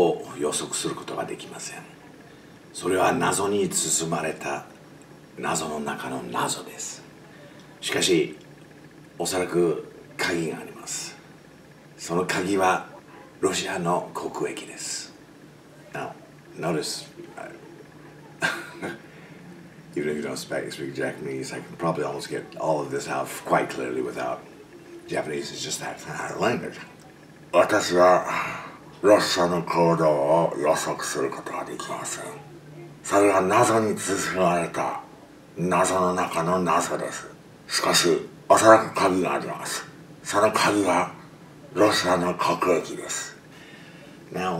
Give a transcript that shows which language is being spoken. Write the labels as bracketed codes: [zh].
[ja] 私はロシアの行動を予測することができません。それは謎に包まれた謎の中の謎です。しかし、おそらく鍵があります。その鍵はロシアの国益です。 [en] Now, notice, even if you don't speak Japanese, I can probably almost get all of this out quite clearly without Japanese. It's just that language. [ja] 私はロシアの行動を予測することができません。それは謎に包まれた謎の中の謎です。しかし、おそらく鍵があります。その鍵はロシアの国益です。Now